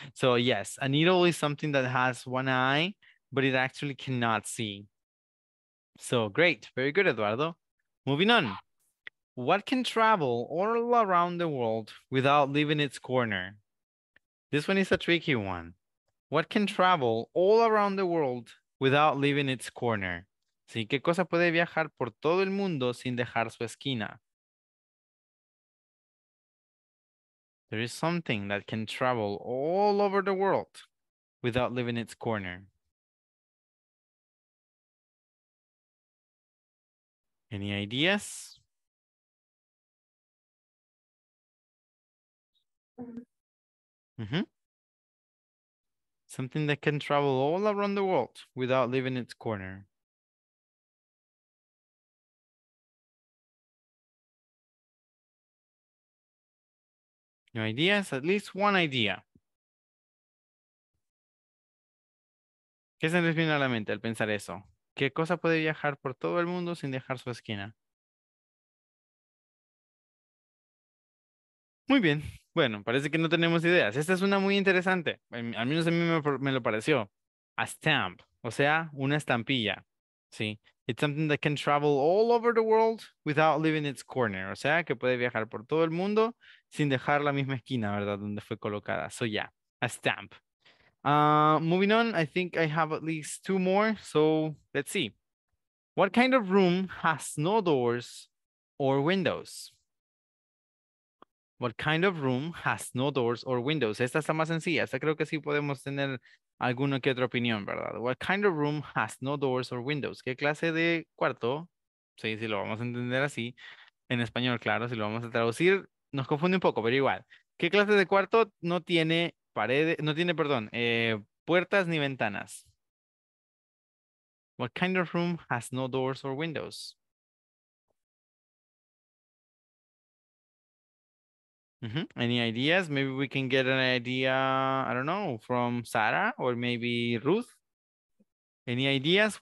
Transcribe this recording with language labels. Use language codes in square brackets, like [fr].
[en] So, yes, a needle is something that has one eye, but it actually cannot see. So, great. Very good, Eduardo. Moving on. What can travel all around the world without leaving its corner? This one is a tricky one. What can travel all around the world without leaving its corner? [es] ¿Sí? ¿Qué cosa puede viajar por todo el mundo sin dejar su esquina? [en] There is something that can travel all over the world without leaving its corner. Any ideas? Mm-hmm. Something that can travel all around the world without leaving its corner. No ideas? At least one idea. [es] ¿Qué se les viene a la mente al pensar eso? ¿Qué cosa puede viajar por todo el mundo sin dejar su esquina? Muy bien. Bueno, parece que no tenemos ideas. Esta es una muy interesante. Al menos a mí me lo pareció. [en] A stamp. [es] O sea, una estampilla. ¿Sí? [en] It's something that can travel all over the world without leaving its corner. [es] O sea, que puede viajar por todo el mundo sin dejar la misma esquina, ¿verdad? Donde fue colocada. [en] So, yeah. A stamp. Moving on. I think I have at least two more. So, let's see. What kind of room has no doors or windows? What kind of room has no doors or windows? [es] Esta está más sencilla. Esta creo que sí podemos tener alguna que otra opinión, ¿verdad? [en] What kind of room has no doors or windows? [es] ¿Qué clase de cuarto? Sí, si lo vamos a entender así. En español, claro, si lo vamos a traducir, nos confunde un poco, pero igual. ¿Qué clase de cuarto no tiene paredes, no tiene, perdón, puertas ni ventanas? [en] What kind of room has no doors or windows? Mm-hmm. Any ideas? Maybe we can get an idea, I don't know, from Sarah or maybe Ruth. Any ideas?